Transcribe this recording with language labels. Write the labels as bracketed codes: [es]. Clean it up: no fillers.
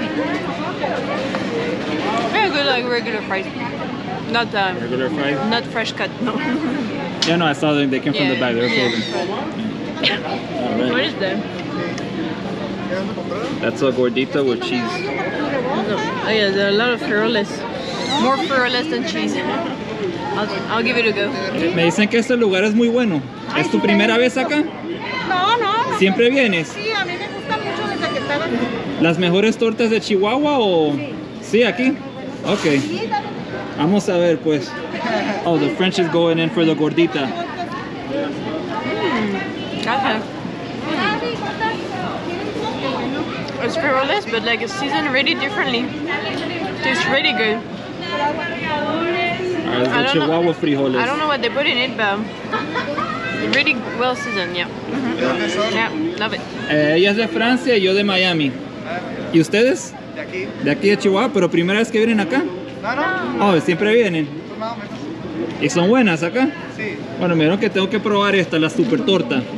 [en] Very good, like regular fries. Not the... Regular fries? Not fresh cut, no. Yeah, no, I saw them. They came from the back. They're frozen. Yeah. All right. What is that? That's a gordita with cheese. Oh yeah, there are a lot of frijoles. More frijoles than cheese. I'll give it a go. [es] Me dicen que este lugar es muy bueno. ¿Es tu primera vez acá? No. ¿Siempre vienes? Sí, a mí me gusta mucho desde que estoy aquí. ¿Las mejores tortas de Chihuahua o...? Sí. ¿Sí, aquí? Ok. Vamos a ver, pues. [en] Oh, the French is going in for the gordita. It's frijoles, but like it's seasoned really differently. Tastes really good. It's the Chihuahua frijoles. I don't know what they put in it, but really well seasoned, yeah. Mm-hmm. Yeah, love it. [es] Ella es de Francia y yo de Miami. ¿Y ustedes? De aquí. De aquí de Chihuahua, pero primera vez que vienen acá. No. Oh, siempre vienen. ¿Y son buenas acá? Sí. Bueno, me dijeron que tengo que probar esta, la super torta.